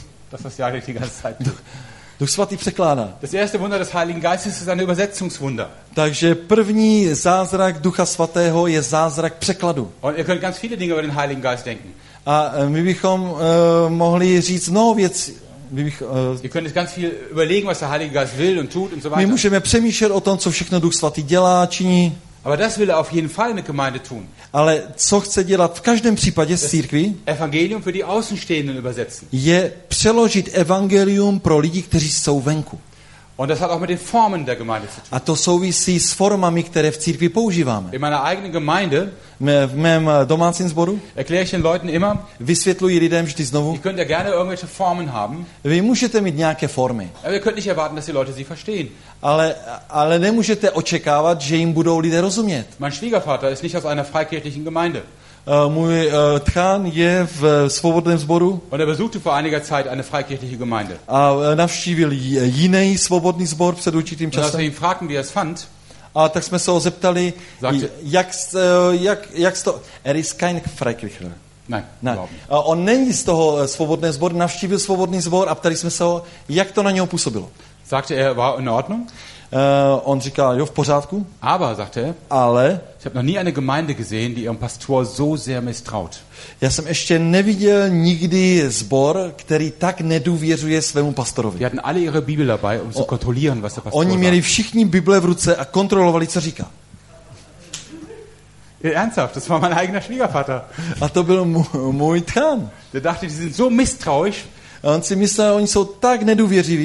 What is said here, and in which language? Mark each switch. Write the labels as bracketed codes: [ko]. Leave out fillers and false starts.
[de] Das ist ja die ganze Zeit. [cs] Duch Svatý překládá. [de] Das erste Wunder des Heiligen Geistes ist ein Übersetzungswunder. [cs] Takže první zázrak Ducha Svatého je zázrak překladu. [de] Und ihr könnt ganz viele Dinge über den Heiligen Geist denken. [cs] A my bychom mohli říct mnoho věcí. [de] Ihr könnt ganz viel überlegen, was der Heilige Geist will und tut und so weiter. [cs] My můžeme přemýšlet o tom, co všechno Duch Svatý dělá, činí. [de] Aber das will er auf jeden Fall mit Gemeinde tun. [cs] Ale co chce dělat v každém případě s církví? [de] Evangelium für die Außenstehenden übersetzen. [cs] Je přeložit evangelium pro lidi, kteří jsou venku. [de] Und das hat auch mit den Formen der Gemeinde zu tun. [cs] A to souvisí s formami, které v církvi používáme. [de] In meiner eigenen Gemeinde, [cs] v mém domácím sboru, [de] erkläre ich den Leuten immer, [cs] vysvětluji lidem vždy znovu, [de] ihr könnt ja gerne irgendwelche Formen haben, [cs] vy můžete mít nějaké formy, [de] aber ihr könnt nicht erwarten, dass die Leute sie verstehen. [cs] Ale nemůžete očekávat, že jim budou lidé rozumět. [de] Mein Schwiegervater ist nicht aus einer freikirchlichen Gemeinde. [cs] Můj tchán je v svobodném sboru. [de] Und er besuchte vor einiger Zeit eine freikirchliche Gemeinde. [cs] A navštívil jiný svobodný sbor před určitým časem. [de] Und als wir ihn fragten, wie er es fand, [cs] a tak jsme se ho zeptali, jak to... [de] Er ist kein Freikircher. Nein. [cs] On není z toho svobodného sboru, navštívil svobodný sbor a ptali jsme se ho, jak to na něho působilo. [de] Sagte er, war in Ordnung? [cs] On říkal, jo, v pořádku. [de] Aber, sagte er, [cs] ale... [de] Ich habe noch nie eine Gemeinde gesehen, die ihrem Pastor so sehr misstraut. [cs] Já jsem ještě neviděl nikdy zbor, který tak nedůvěřuje svému pastorovi. [de] Die hatten alle ihre Bibel dabei, um zu kontrollieren, was der Pastor. [cs] Oni měli všichni Bible v ruce a kontrolovali, co říká. [de] Ernsthaft, das war mein eigener Schwiegervater. [cs] A to byl můj tchán. [de] Der dachte, die sind so misstrauisch. [cs] On si myslel, oni jsou tak nedůvěřiví,